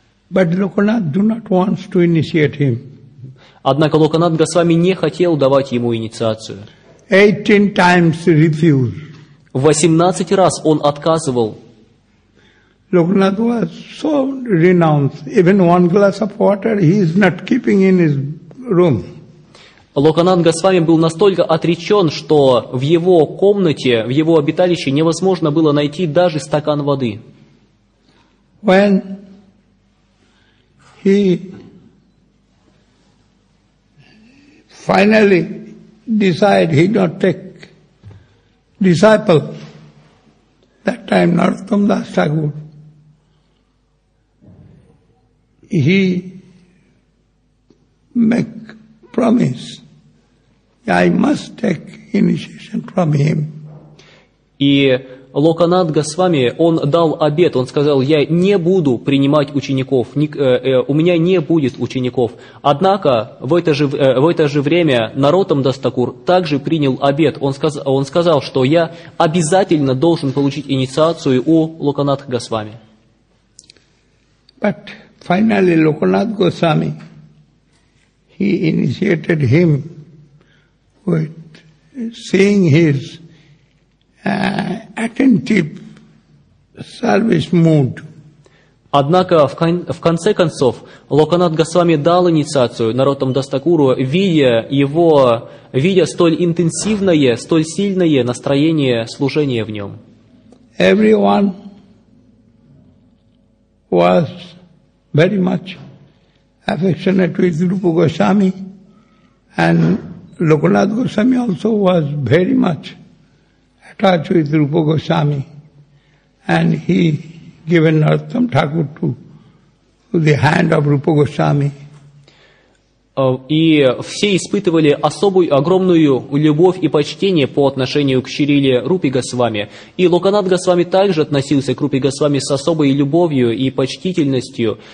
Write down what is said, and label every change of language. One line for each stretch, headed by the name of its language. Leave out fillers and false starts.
English: But Lokanath do not want to initiate him.
Russian: Однако Локанат Госвами не хотел давать ему инициацию.
English: 18 times he refused.
Russian: 18 раз он отказывал.
English: Lokanath was so renounced. Even one glass of water he is not keeping in his room.
Russian: Локанат Госвами был настолько отречен, что в его комнате, в его обиталище невозможно было найти даже стакан воды.
English: When he finally decided he not take disciple, that time Narottam Das Thakur, he make promise, I must take initiation from him.
Russian: И Локанат Госвами, он дал обет, он сказал, я не буду принимать учеников, у меня не будет учеников. Однако в это же время Наротам Дас Такур также принял обет, он сказал, что я обязательно должен получить инициацию у Локанат Госвами.
English: But finally, Lokanath Goswami, he initiated him with seeing his attentive service mood.
Russian: Однако в конце концов Локанат Госвами дал инициацию Наротам Дас Такуру, видя столь интенсивное, столь сильное настроение служения в нем.
English: Everyone was very much affectionate with Rupa Goswami, and Lokanath Goswami also was very much attached with Rupa Goswami, and he given Narottam Thakur to the hand of Rupa Goswami.
Russian: И все испытывали особую, огромную любовь и почтение по отношению к Шриле Рупе Госвами. И Локанат Госвами также относился к Рупе Госвами с особой любовью и почтительностью.